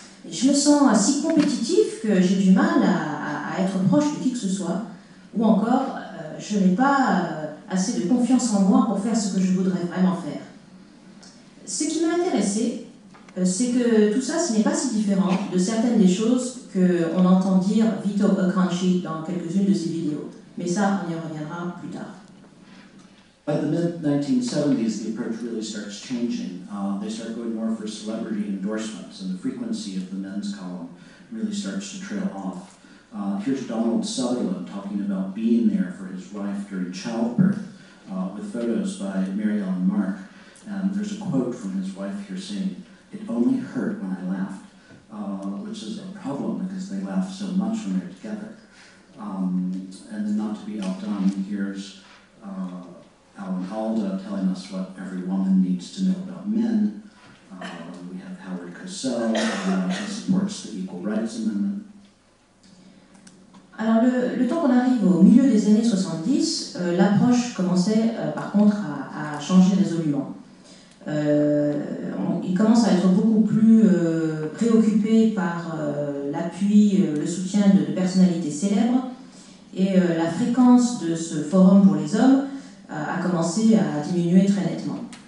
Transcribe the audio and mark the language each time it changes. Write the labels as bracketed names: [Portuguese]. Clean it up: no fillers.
[French] Je me sens si compétitif que j'ai du mal à être proche de qui que ce soit. » Ou encore « Je n'ai pas assez de confiance en moi pour faire ce que je voudrais vraiment faire. » Ce qui m'a intéressé, c'est que tout ça, ce n'est pas si différent de certaines des choses qu'on entend dire Vito Acconci dans quelques-unes de ses vidéos. Mais ça, on y reviendra plus tard. [English] By the mid-1970s, the approach really starts changing. They start going more for celebrity endorsements, and the frequency of the men's column really starts to trail off. Here's Donald Sutherland talking about being there for his wife during childbirth with photos by Mary Ellen Mark. And there's a quote from his wife here saying, "It only hurt when I laughed," which is a problem because they laugh so much when they're together. And then not to be outdone, here's Alan Alda telling us what every woman needs to know about men. We have Howard Cosell, who supports the Equal Rights Amendment. [French] Alors, le temps qu'on arrive au milieu des années 70, l'approche commençait par contre à changer résolument. Il commence à être beaucoup plus préoccupé par l'appui, le soutien de personnalités célèbres, et la fréquence de ce forum pour les hommes a commencé à diminuer très nettement.